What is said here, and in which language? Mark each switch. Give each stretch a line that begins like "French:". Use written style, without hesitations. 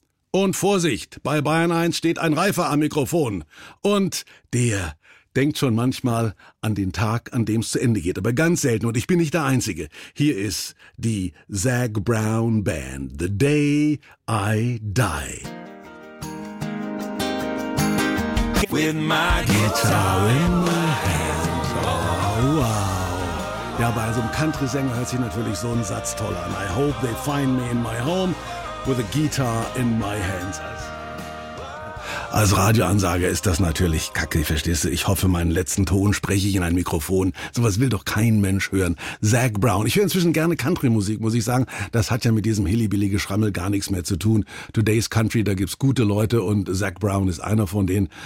German: Und Vorsicht, bei Bayern 1 steht ein Reifer am Mikrofon. Und der denkt schon manchmal an den Tag, an dem es zu Ende geht. Aber ganz selten, und ich bin nicht der Einzige. Hier ist die Zac Brown Band, The Day I Die.
English: With my guitar in my hand. Oh, wow.
German: Ja, bei so einem Country-Sänger hört sich natürlich so ein Satz toll an.
English: I hope they find me in my home. With a guitar in my hands.
German: Als Radioansager ist das natürlich kacke, verstehst du? Ich hoffe, meinen letzten Ton spreche ich in ein Mikrofon. Sowas will doch kein Mensch hören. Zac Brown. Ich höre inzwischen gerne Country-Musik, muss ich sagen. Das hat ja mit diesem hillibillige Schrammel gar nichts mehr zu tun.
English: Today's Country,
German: da gibt's gute Leute und Zac Brown ist einer von denen.